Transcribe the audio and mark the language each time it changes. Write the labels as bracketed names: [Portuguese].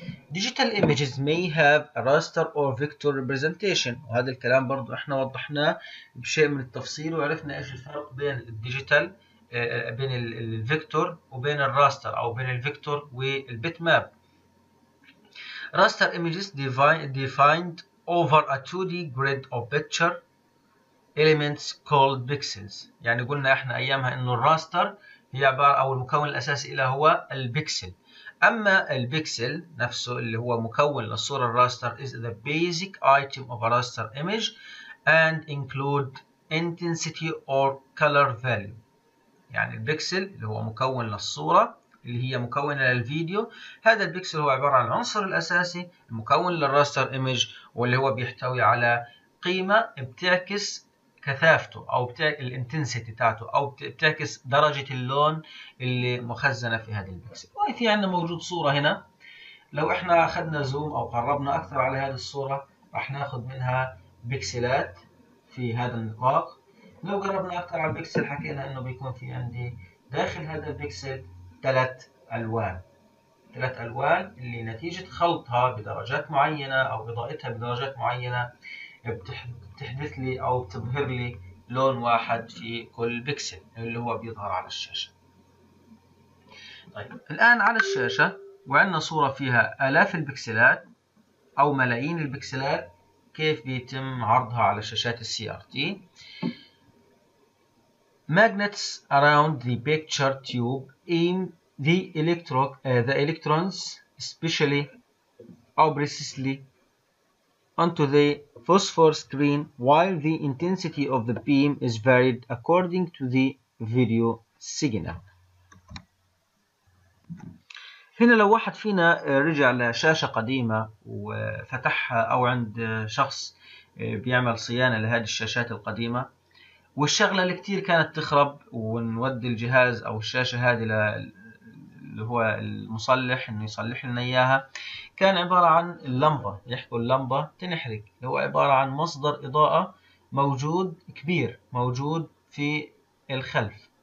[English] Digital images may have a raster or vector representation، [Arabic] وهذا الكلام برضو احنا وضحناه بشيء من التفصيل وعرفنا ايش الفرق بين الديجيتال بين الفيكتور وبين الراستر، او بين الفيكتور والبيت ماب. [English] Raster images defined over a 2D grid of picture elements called pixels. [Arabic] يعني قلنا احنا ايامها انه الراستر هي عبارة او المكون الاساسي لها هو البكسل. أما البكسل نفسه اللي هو مكون للصورة الراستر [English] is the basic item of a raster image and include intensity or color value. [Arabic] يعني البكسل اللي هو مكون للصورة اللي هي مكونة للفيديو، هذا البكسل هو عبارة عن العنصر الأساسي المكون للراستر إيمج، واللي هو بيحتوي على قيمة بتعكس كثافته أو الانتنسيتي تاعته أو بتعكس درجة اللون اللي مخزنة في هذا البكسل. وفي عندنا موجود صورة هنا، لو احنا أخذنا زوم أو قربنا أكثر على هذه الصورة راح ناخذ منها بكسلات في هذا النطاق. لو قربنا أكثر على البكسل حكينا أنه بيكون في عندي داخل هذا البكسل ثلاث ألوان اللي نتيجة خلطها بدرجات معينة أو إضاءتها بدرجات معينة بتحدث لي او بتظهر لي لون واحد في كل بكسل اللي هو بيظهر على الشاشه. طيب الان على الشاشه وعندنا صوره فيها الاف البكسلات او ملايين البكسلات، كيف بيتم عرضها على شاشات CRT؟ [English] magnets around the picture tube aim the electrons especially obliquely onto the phosphor screen while the intensity of the beam is varied according to the video signal. [Arabic] هنا لو واحد فينا رجع لشاشة قديمة وفتحها، أو عند شخص بيعمل صيانة لهذه الشاشات القديمة والشغلة اللي كتير كانت تخرب، ونودي الجهاز أو الشاشة هذه اللي هو المصلح انه يصلح لنا اياها، كان عبارة عن اللمبة، يحكوا اللمبة تنحرق، اللي هو عبارة عن مصدر اضاءة موجود كبير موجود في الخلف.